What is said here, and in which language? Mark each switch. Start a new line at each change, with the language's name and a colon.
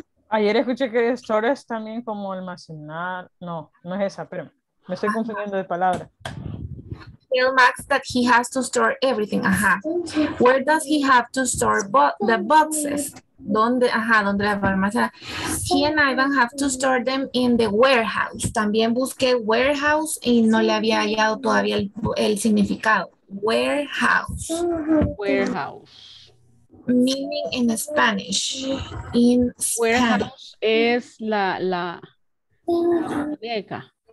Spanish: Ayer escuché que store es también como almacenar, no es esa, pero me estoy confundiendo de palabra.
English: Tell Max that he has to store everything, ajá. Where does he have to store the boxes? ¿Dónde?
Spanish: Ajá, ¿dónde la va a almacenar?
English: He and Ivan have to store them in the warehouse.
Spanish: También busqué warehouse y no le había hallado todavía el significado.
English: Warehouse. Warehouse. Meaning in Spanish. In
Spanish: warehouse es la bodega.